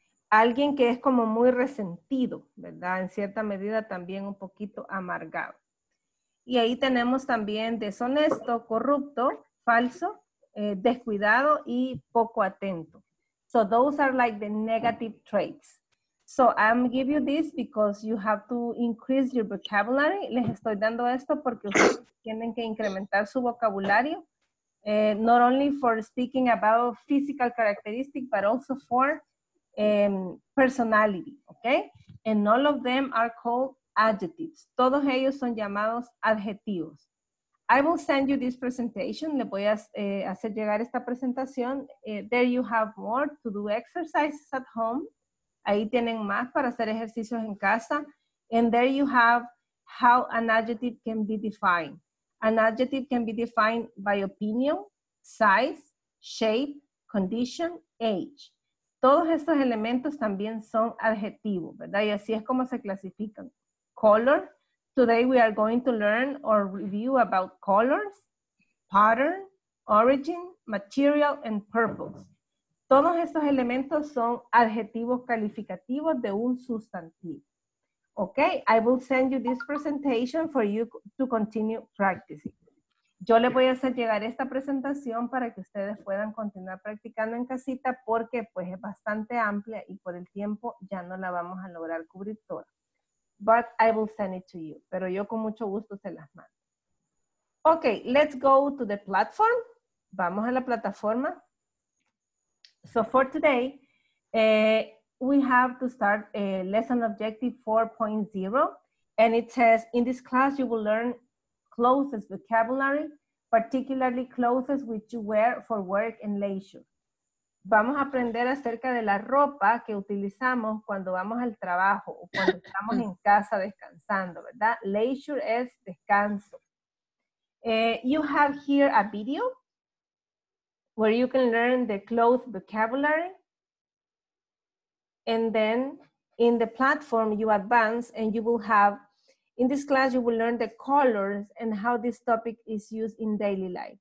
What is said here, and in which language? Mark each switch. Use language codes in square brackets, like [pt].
[es] Alguien que es como muy resentido, ¿verdad? En cierta medida también un poquito amargado. Y ahí tenemos también deshonesto, corrupto, falso, descuidado y poco atento. [en] So those are like the negative traits. So I'm giving you this because you have to increase your vocabulary. [es] Les estoy dando esto porque ustedes tienen que incrementar su vocabulario. [en] Not only for speaking about physical characteristics, but also for personality, okay? And all of them are called adjectives. [es] Todos ellos son llamados adjetivos. [en] I will send you this presentation. [es] Le voy a hacer llegar esta presentación. [en] There you have more to do exercises at home. [es] Ahí tienen más para hacer ejercicios en casa. [en] And there you have how an adjective can be defined. An adjective can be defined by opinion, size, shape, condition, age. [es] Todos estos elementos también son adjetivos, ¿verdad? Y así es como se clasifican. Color. [en] Today we are going to learn or review about colors, pattern, origin, material, and purpose. [es] Todos estos elementos son adjetivos calificativos de un sustantivo. [en] Okay, I will send you this presentation for you to continue practicing. [es] Yo le voy a hacer llegar esta presentación para que ustedes puedan continuar practicando en casita porque pues es bastante amplia y por el tiempo ya no la vamos a lograr cubrir toda. [en] But I will send it to you. [es] Pero yo con mucho gusto se las mando. [en] Okay, let's go to the platform. [es] Vamos a la plataforma. [en] So for today, we have to start a lesson objective 4.0. And it says, in this class, you will learn clothes vocabulary, particularly clothes which you wear for work and leisure. [es] Vamos a aprender acerca de la ropa que utilizamos cuando vamos al trabajo o cuando estamos en casa descansando, ¿verdad? Leisure es descanso. [en] You have here a video where you can learn the clothes vocabulary. And then in the platform you advance and you will have, in this class you will learn the colors and how this topic is used in daily life.